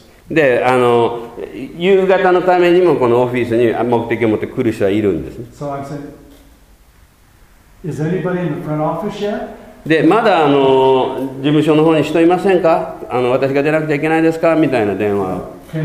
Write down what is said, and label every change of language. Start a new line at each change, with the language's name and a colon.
Japanese: で、あの夕方のためにもこのオフィスに目的を持って来る人はいるんですね。
English: So I said, is anybody in the front office yet?
Japanese: で、まだあの事務所の方に人いませんか、あの私が出なくちゃいけないですかみたいな電話を。